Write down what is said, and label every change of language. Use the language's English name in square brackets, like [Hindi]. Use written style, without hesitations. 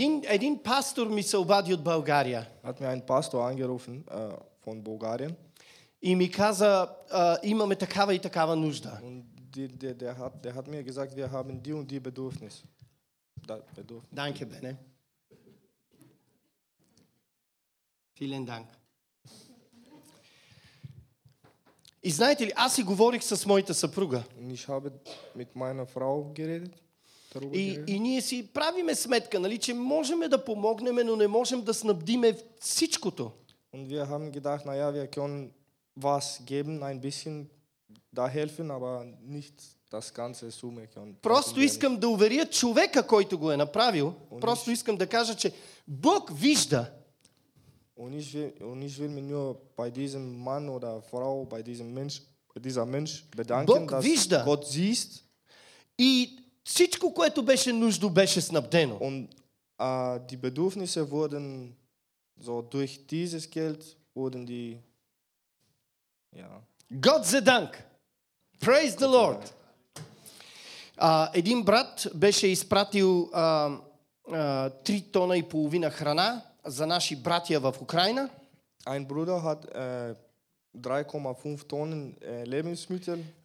[Bulgarian] Един пастор ми се обади от България. [German] Hat mir ein Pastor angerufen von Bulgarien. [Bulgarian] И ми каза, имаме такава и такава нужда. [German] Der hat mir gesagt, wir haben die und die Bedürfnis. Danke, Benne. Vielen Dank. [Bulgarian] И знаете ли, аз си говорих с моята съпруга. [German] Ich habe mit meiner Frau geredet. [Bulgarian] И ние си правиме сметка, нали, че можем да помогнем, но не можем да снабдиме всичкото. [German] Und wir haben gedacht, naja, wir können was geben, ein bisschen da helfen, aber nicht das ganze Summe. [Bulgarian] Просто искам да уверя човека, който го е направил. Und просто искам да кажа, че Бог вижда. [German] Und ich will mich nur bei diesem Mann oder Frau, bei diesem Mensch, dieser Mensch bedanken, [Bulgarian] Бог dass вижда. [German] Gott sieht. [Bulgarian] И всичко, което беше нужно, беше снабдено. [German] Und die Bedürfnisse wurden so durch dieses Geld wurden die ja. Gott sei Dank. [English] Praise Gott the Lord. [Bulgarian] Един брат беше изпратил 3 тона и половина храна за наши братия в Украина. [German] Ein Bruder hat 3,5 Tonnen Lebensmittel.